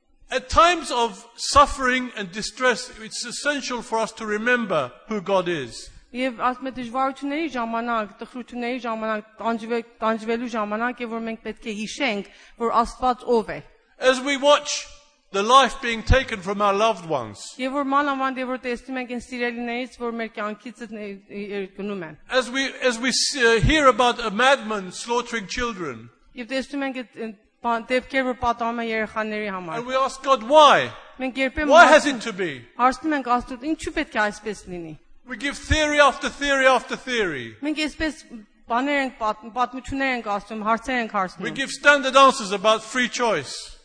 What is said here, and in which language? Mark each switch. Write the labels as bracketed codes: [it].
[en] At times of suffering and distress it's essential for us to remember who God is. [hy] Եվ ասում եմ դժվարությունների ժամանակ, տխրությունների ժամանակ, տանջվելու ժամանակ, եւ որ մենք պետք է հիշենք, որ Աստված ով է. [en] As we watch the life being taken from our loved ones. [hy] Եվ որ մանավանդ եւ որ տեսնում ենք այն սիրելիներից, որ մեր կյանքից գնում են. [en] As we hear about a madman slaughtering children. [hy] Եվ տեսնում ենք դեպքեր, որ պատահում են երեխաների համար. [en] And we ask God why? [hy] Մենք երբեմն [en] Why has it to be? [hy] Հարցնում ենք Աստծուն, ինչու պետք է այսպես լինի? [en] We give theory after theory after theory. [hy] Մենք այսպես բաներ ենք պատմություններ ենք ասում, հարցեր ենք հարցնում. [en] We give standard answers about free choice.